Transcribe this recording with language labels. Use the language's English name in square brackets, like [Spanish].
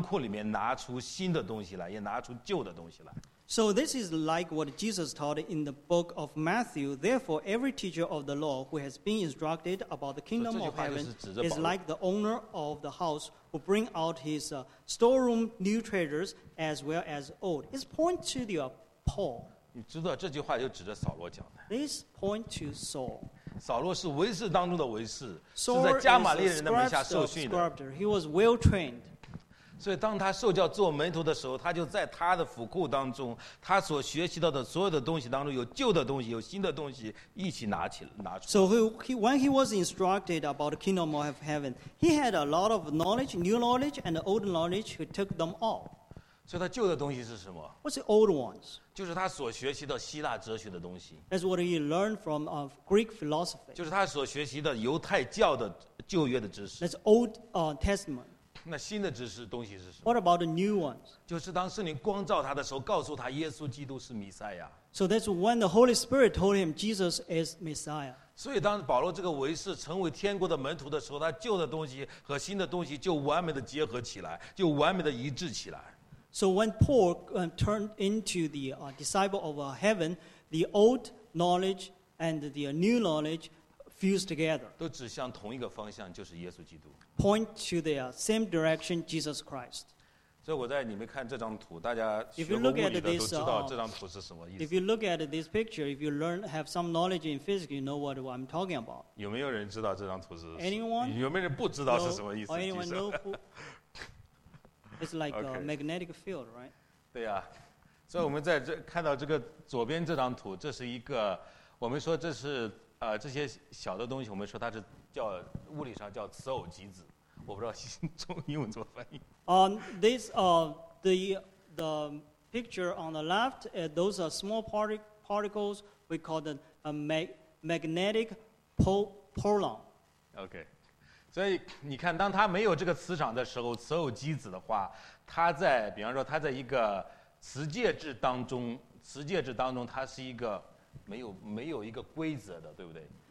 [Chinese] 所以这就是耶稣基督在马太福音13:52节所说的。他说：“凡为士受教做门徒，就从他的库当中，就好像一个家族，从他的仓库里面拿出新的东西来，也拿出旧的东西来。” [English] So this is like what Jesus taught in the book of Matthew. Therefore, every teacher of the law who has been instructed about the kingdom of heaven is like the owner of the house who bring out his storeroom new treasures as well as old. It's point to the Paul. [Chinese] 你知道这句话就指着扫罗讲的。 [English] This point to Saul. [Chinese] 扫罗是维士当中的维士，是在加玛利人的门下受训的。 [English] He was well trained. [Chinese] 所以当他受教做门徒的时候，他就在他的府库当中，他所学习到的所有的东西当中，有旧的东西，有新的东西，一起拿起拿出。 [English] So when he was instructed about the kingdom of heaven, he had a lot of knowledge, new knowledge and old knowledge. He took them all. [Chinese] 所以他旧的东西是什么 [English] ？What's the old ones? [Chinese] 就是他所学习的希腊哲学的东西。 [English] That's what he learned from of Greek philosophy. [Chinese] 就是他所学习的犹太教的旧约的知识。 [English] That's old Testament. [Chinese] 那新的知识东西是什么 [English] ？What about the new ones？ [Chinese] 就是当圣灵光照他的时候，告诉他耶稣基督是弥赛亚。 [English] So that's when the Holy Spirit told him Jesus is Messiah. [Chinese] 所以当保罗这个维士成为天国的门徒的时候，他旧的东西和新的东西就完美的结合起来，就完美的一致起来。 [English] So when Paul turned into the disciple of heaven, the old knowledge and the new knowledge fused together. [Chinese] 都指向同一个方向，就是耶稣基督。 [English] Point to the same direction, Jesus Christ. [Chinese] 所以我在你们看这张图，大家学过物理的都知道这张图是什么意思。 [English] If you look at this picture, if you learn have some knowledge in physics, you know what I'm talking about. [Chinese] 有没有人知道这张图是 [English] ？Anyone? [Chinese] 有没有人不知道是什么意思 [English] ？Anyone know? It's like a magnetic field, right? [Chinese] 对呀，所以我们在这看到这个左边这张图，这是一个我们说这是这些小的东西，我们说它是。叫物理上叫磁偶极子，我不知道中英文怎么翻译。 [English] This the picture on the left, those are small particles we call the magnetic polon. [Chinese] Okay, 所以你看，当它没有这个磁场的时候，磁偶极子的话，它在比方说它在一个磁介质当中，磁介质当中它是一个没有一个规则的，对不对？